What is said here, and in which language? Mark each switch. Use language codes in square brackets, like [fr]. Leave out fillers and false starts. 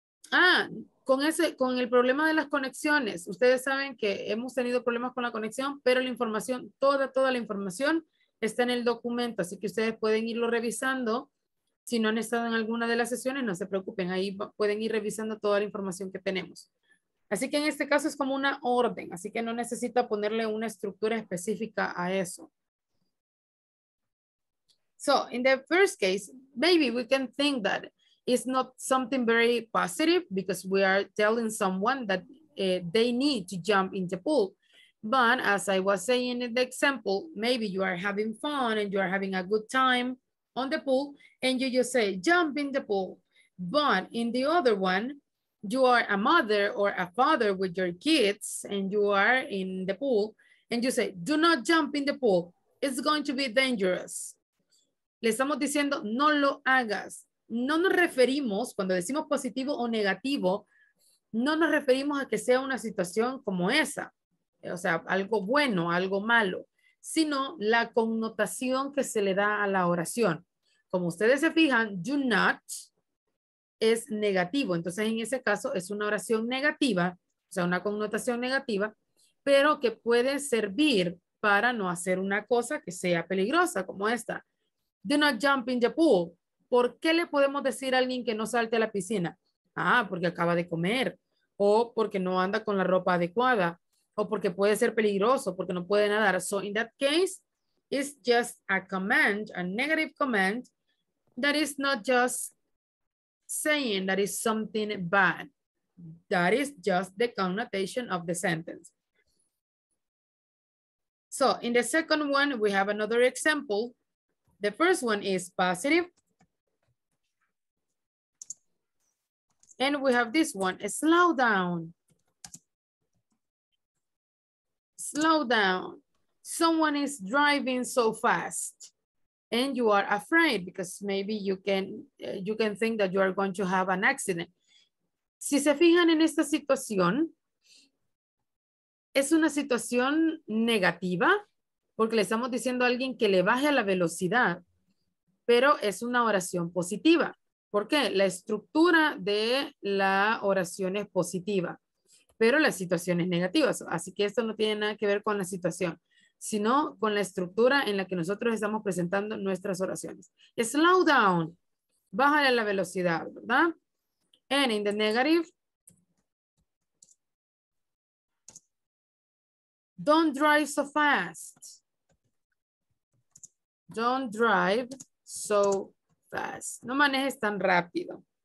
[es] Ah, con ese, con el problema de las conexiones. Ustedes saben que hemos tenido problemas con la conexión, pero la información, toda la información está en el documento. Así que ustedes pueden irlo revisando. Si no han estado en alguna de las sesiones, no se preocupen. Ahí pueden ir revisando toda la información que tenemos. Así que en este caso es como una orden. Así que no necesita ponerle una estructura específica a eso. [en] So, in the first case, maybe we can think that it's not something very positive because we are telling someone that they need to jump in the pool. But as I was saying in the example, maybe you are having fun and you are having a good time on the pool and you just say, jump in the pool. But in the other one, you are a mother or a father with your kids and you are in the pool and you say, do not jump in the pool. It's going to be dangerous. [es] Le estamos diciendo, no lo hagas. No nos referimos, cuando decimos positivo o negativo, no nos referimos a que sea una situación como esa. O sea, algo bueno, algo malo, sino la connotación que se le da a la oración. Como ustedes se fijan, do not es negativo. Entonces, en ese caso, es una oración negativa, o sea, una connotación negativa, pero que puede servir para no hacer una cosa que sea peligrosa como esta. [en] Do not jump in the pool. [es] ¿Por qué le podemos decir a alguien que no salte a la piscina? Ah, porque acaba de comer, o porque no anda con la ropa adecuada, o porque puede ser peligroso, porque no puede nadar. [en] So in that case, it's just a command, a negative command, that is not just saying that is something bad. That is just the connotation of the sentence. So in the second one, we have another example. The first one is positive. And we have this one, slow down. Slow down. Someone is driving so fast and you are afraid because maybe you can think that you are going to have an accident. [es] Si se fijan en esta situación, es una situación negativa porque le estamos diciendo a alguien que le baje a la velocidad, pero es una oración positiva. ¿Por qué? La estructura de la oración es positiva, pero la situación es negativa. Así que esto no tiene nada que ver con la situación, sino con la estructura en la que nosotros estamos presentando nuestras oraciones. [en] Slow down, [es] bájale la velocidad, ¿verdad? [en] And in the negative, don't drive so fast. Don't drive so fast. [es] No manejes tan rápido.